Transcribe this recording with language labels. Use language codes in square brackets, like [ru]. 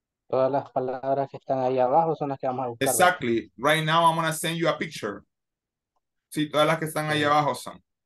[es] Todas las palabras que están ahí abajo son las que vamos a buscar. [en] Exactly. Right now I'm going to send you a picture. [es] Sí, todas las que están ahí abajo son.